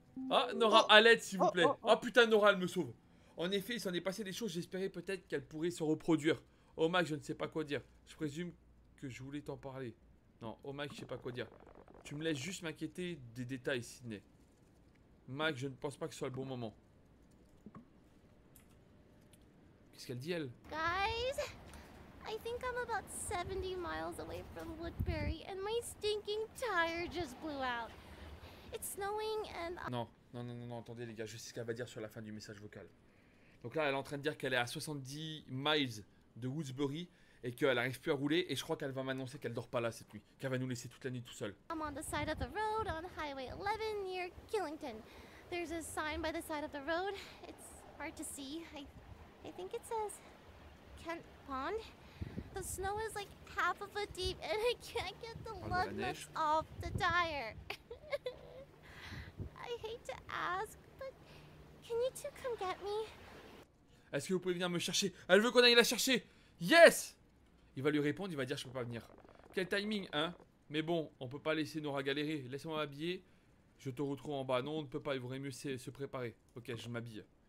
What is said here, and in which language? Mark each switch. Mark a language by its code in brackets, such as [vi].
[fr] Ah, Nora, oh. À l'aide s'il vous plaît. Oh putain, Nora, elle me sauve. En effet, il s'en est passé des choses, j'espérais peut-être qu'elle pourrait se reproduire. Oh Mike, je ne sais pas quoi dire. Je présume que je voulais t'en parler. Non, oh Mike, je sais pas quoi dire. Tu me laisses juste m'inquiéter des détails, Sydney. Mike, je ne pense pas que ce soit le bon moment. Qu'est-ce qu'elle dit, elle? [en] Guys, I think I'm about 70 miles away from Woodbury and my stinking tire just blew out. It's snowing and... [fr] Non, attendez les gars, je sais ce qu'elle va dire sur la fin du message vocal. Donc là, elle est en train de dire qu'elle est à 70 miles de Woodbury. Et qu'elle n'arrive plus à rouler, et je crois qu'elle va m'annoncer qu'elle dort pas là cette nuit, qu'elle va nous laisser toute la nuit tout seul. [en] I'm on the side of the road on Highway 11 near Killington. There's a sign by the side of the road. It's hard to see. I think it says Kent Pond. The snow is like half of a deep, and I can't get the lug nuts off the tire. I hate to ask, but can you two come get me? [fr] Est-ce que vous pouvez venir me chercher? Elle veut qu'on aille la chercher. Yes! Il va lui répondre, il va dire je peux pas venir. Quel timing, hein? Mais bon, on peut pas laisser Nora galérer. Laisse-moi m'habiller, je te retrouve en bas. Non, on ne peut pas, il vaudrait mieux se préparer. Ok, je m'habille.